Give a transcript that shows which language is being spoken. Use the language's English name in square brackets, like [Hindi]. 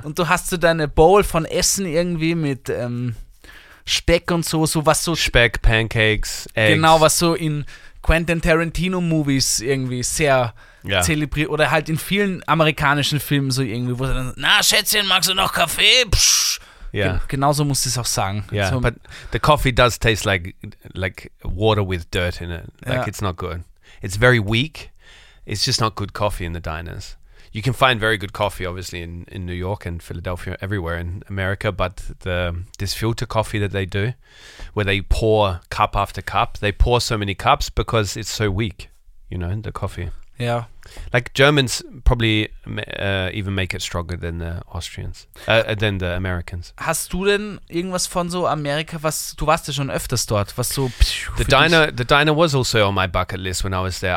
[German] Und du hast so deine Bowl von Essen irgendwie mit Speck und so was so. [English] Speck, Pancakes, Eggs. [German] Genau, was so in Quentin Tarantino Movies irgendwie sehr zelebriert oder halt in vielen amerikanischen Filmen so irgendwie, wo sie dann, na Schätzchen, magst du noch Kaffee? Psch. [English] Yeah. [German] Genauso musst du es auch sagen. [English] Yeah, so, but the coffee does taste like water with dirt in it. Like it's not good. It's very weak. It's just not good coffee in the diners. You can find very good coffee, obviously, in New York and Philadelphia, everywhere in America, but this filter coffee that they do, where they pour cup after cup, they pour so many cups because it's so weak, you know, the coffee. Yeah. Like Germans probably even make it stronger than the Austrians, than the Americans. [German] Hast du denn irgendwas von so Amerika, was, du warst ja schon öfters dort, was so... [English] The diner was also on my bucket list when I was there.